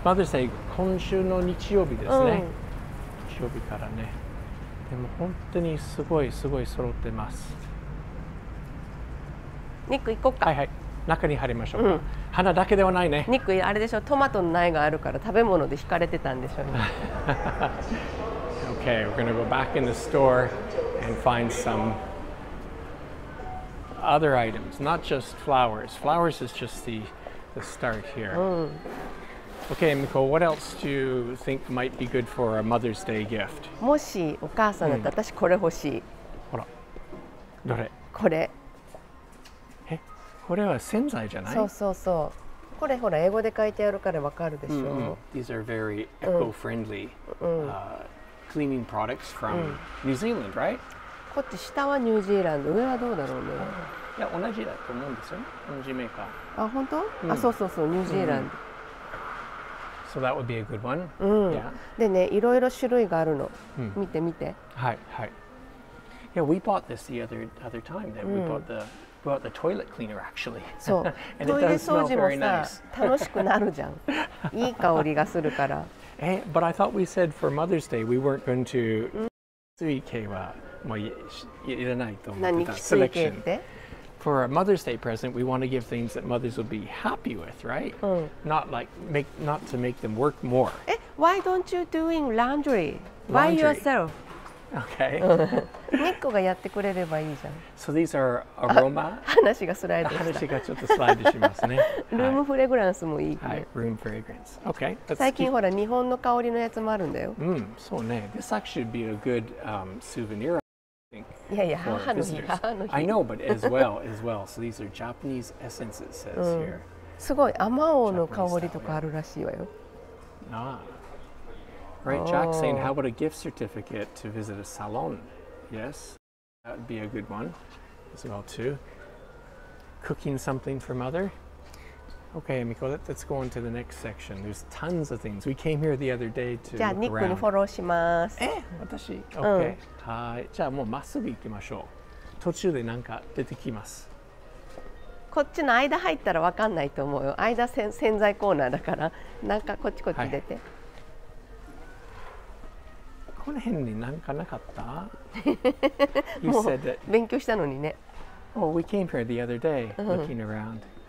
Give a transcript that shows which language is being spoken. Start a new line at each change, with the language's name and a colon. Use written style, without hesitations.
Japanese: マザーズデー今週の日曜日ですね、うん、日曜日からね。でも本当にすごいすごい揃ってます。ニック行こうか。はいはい、中に入りましょうか、うん、花だけではないね。ニックあれでしょ、トマトの苗があるから食べ物で惹かれてたんでしょうね。
English: Okay, we're going to go back in the store and find some other items, not just flowers. Flowers is just the start here.、うん、 okay, Emiko, what else do you think might be good for a Mother's Day gift?
Japanese: もしお母さんだったら私これ欲しい。ほら、どれ？これ。え、これは洗剤じゃない？そうそうそう。これほら英語で書いてあるからわかるでしょ。 Mm-hmm.
English: These are very eco-friendly.、うん、cleaning products from、うん、New Zealand, right?
Japanese: こっち下はニュージーランド、上はどうだろうね。いや、同じだと思うんですよ、同じメーカー。あ、本当、うん、あ、そうそうそう、ニュージーランド。うん、
English: So that would be a good one.、うん、yeah.
Japanese: でね、いろいろ種類があるの。うん、見て見て。はい、はい。
English: Yeah, we bought this the other time. That、うん、we bought the toilet cleaner, actually.
Japanese: そう。トイレ掃除もさ、楽しくなるじゃん。いい香りがするから。
English: Hey, but I thought we said for Mother's Day we weren't going to.
Japanese: 水系はもういらないと思ってた。何水系って？
English: For a Mother's Day present, we want to give things that mothers would be happy with, right?、うん、 not to make them work more. え、why don't you doing laundry? By yourself? Okay.
Japanese: ニックがやってくれればいいじゃん。
English: So these are aroma.
Japanese: 話がスライドした。話がちょっとスライドしますね。ルームフレグランスもいい、ね。はい、ルームフレグランス。
English: Okay.
Japanese: 最近ほら日本の香りのやつもあるんだよ。うん、そうね。
English: This actually should be a good souvenir, I think.
Japanese: いやいや、母の日。
English: I know, but as well. So these are Japanese essences, says here.、うん、
Japanese: すごい、アマオの香りとかあるらしいわよ。ああ。
English: Right, Jack saying, how about a gift certificate to visit a salon? Yes, that would be a good one as well too. Cooking something for mother. Okay, Emiko, let's go on to the next section. There's tons of things. We came here the other day to look around.
Japanese: じゃあ、ニックにフォローします。え、私?Okay. はい。じゃあ、もうまっすぐ行きましょう。途中で何か出てきます。こっちの間入ったら分かんないと思うよ。間洗剤コーナーだから。なんかこっちこっち出て。はい、この辺に何かなかった？
English: You said that.
Japanese: 勉強したのにね。
English: Oh, we came here the other day, looking around.